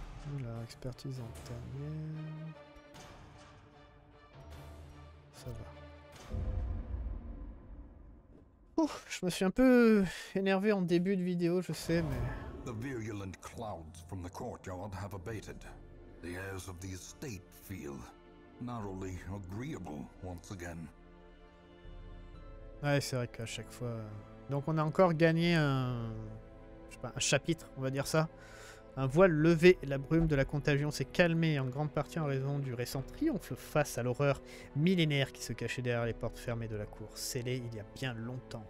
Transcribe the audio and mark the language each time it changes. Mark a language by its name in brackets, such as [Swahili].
[French] Voilà, expertise intérieure. Ça va. Ouf, je me suis un peu énervé en début de vidéo, je sais, mais... [English] The virulent clouds from the courtyard have abated. The airs of the estate feel narrowly agreeable once again. [French] Ouais, c'est vrai qu'à chaque fois... Donc on a encore gagné un chapitre, on va dire ça. Un voile levé, la brume de la contagion s'est calmée en grande partie en raison du récent triomphe face à l'horreur millénaire qui se cachait derrière les portes fermées de la cour, scellée il y a bien longtemps.